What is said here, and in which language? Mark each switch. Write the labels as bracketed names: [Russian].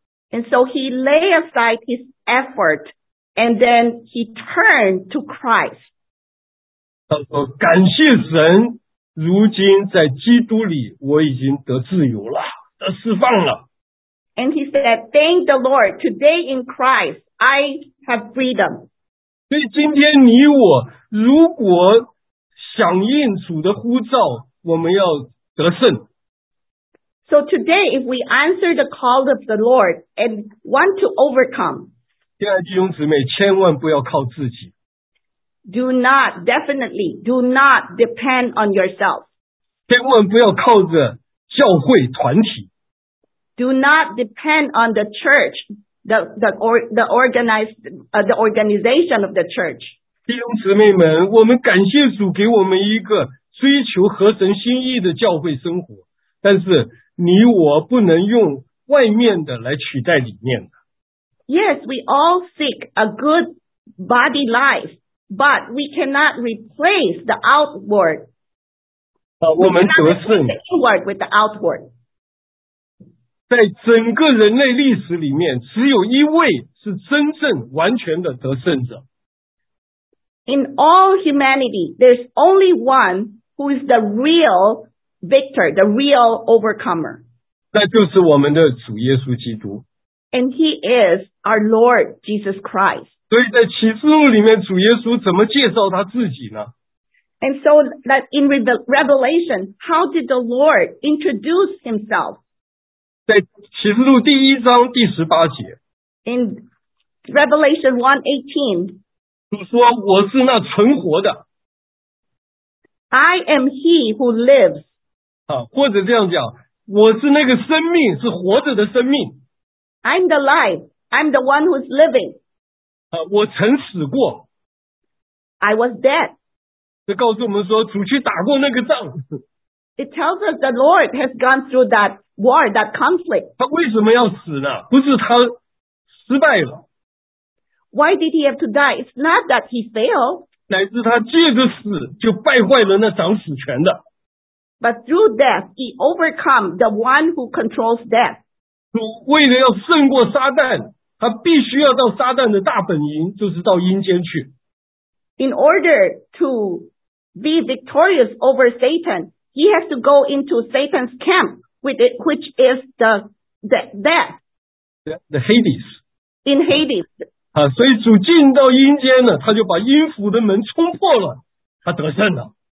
[English] And so he lay aside his effort, and then he turned to Christ. [Chinese] 他说，感谢神，如今在基督里我已经得自由了，得释放了。 [English] And he said, thank the Lord, today in Christ, I have freedom. [Chinese] 所以今天你我如果响应主的呼召，我们要得胜。 [English] So today, if we answer the call of the Lord and want to overcome, [Chinese] 亲爱的弟兄姊妹，千万不要靠自己。 [English] Do not, definitely, do not depend on yourself. [Chinese] 千万不要靠着教会团体。 [English] Do not depend on the church, the organization of the church. [Chinese] 弟兄姊妹们，我们感谢主给我们一个追求合神心意的教会生活，但是你我不能用外面的来取代里面的。 [English] Yes, we all seek a good body life, but we cannot replace the outward. We cannot replace the inward with the outward. [Chinese] 在整个人类历史里面，只有一位是真正完全的得胜者。 [English] In all humanity, there's only one who is the real victor, the real overcomer. [Chinese] 那就是我们的主耶稣基督。 [English] And he is our Lord Jesus Christ. [Chinese] 所以在启示录里面，主耶稣怎么介绍他自己呢？ [English] And so that in Revelation, how did the Lord introduce himself? [Chinese] 在启示录第一章第十八节。 [English] In Revelation 1:18, [Chinese] 主说我是那存活的。 [English] I am he who lives. [Chinese] 或者这样讲，我是那个生命，是活着的生命。 [English] I'm the life. I'm the one who's living. [Chinese] 我曾死过。 [English] I was dead. [Chinese] 这告诉我们说，主去打过那个仗。 [English] It tells us the Lord has gone through that war, that conflict. [Chinese] 他为什么要死呢？不是他失败了。 [English] Why did he have to die? It's not that he failed. [Chinese] 乃是他借着死就败坏了那掌死权的。 [English] But through death, he overcome the one who controls death. [Chinese] 主为了要胜过撒旦，他必须要到撒旦的大本营，就是到阴间去。 [English] In order to be victorious over Satan, he has to go into Satan's camp, which is the death. The Hades. In Hades. [Chinese] 所以主进到阴间了，他就把阴府的门冲破了，他得胜了。